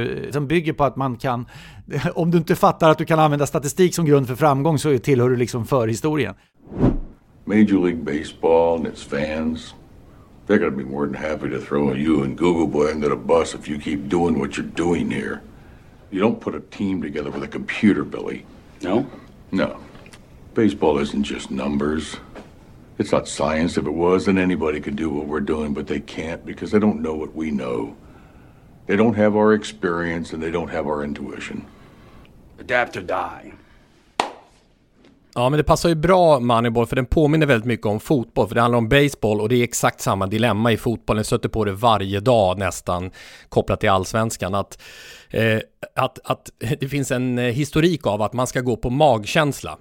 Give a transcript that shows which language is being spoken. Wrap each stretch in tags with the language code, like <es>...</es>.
<sv>Som bygger på att man kan, om du inte fattar att du kan använda statistik som grund för framgång, så tillhör du liksom förhistorien.</sv> <en>Major League Baseball and its fans, they're gonna be more than happy to throw you and Google Boy under the bus if you keep doing what you're doing here. You don't put a team together with a computer, Billy. No? No. Baseball isn't just numbers. It's not science. If it was, then anybody could do what we're doing, but they can't because they don't know what we know. They don't have our experience and they don't have our intuition. Adapt or die.</en> <sv>Ja, men det passar ju bra Moneyball, för den påminner väldigt mycket om fotboll, för det handlar om baseball, och det är exakt samma dilemma i fotbollen. Jag stöter på det varje dag nästan, kopplat till allsvenskan, att det finns en historik av att man ska gå på magkänsla.</sv>